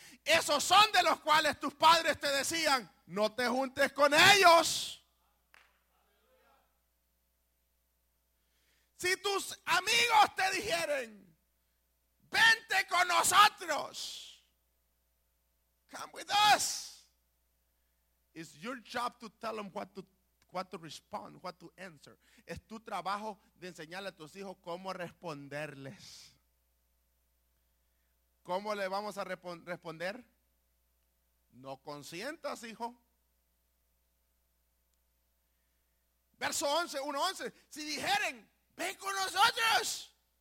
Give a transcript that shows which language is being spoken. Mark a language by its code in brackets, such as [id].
[es] Esos son de los cuales tus padres te decían, no te juntes con ellos. Si tus amigos te dijeren, vente con nosotros. [en] Come with us. It's your job to tell them what to respond, what to answer. [es] Es tu trabajo de enseñarle a tus hijos cómo responderles. ¿Cómo le vamos a responder? No consientas, hijo. Verso 1:11. Si dijeren, ven con nosotros.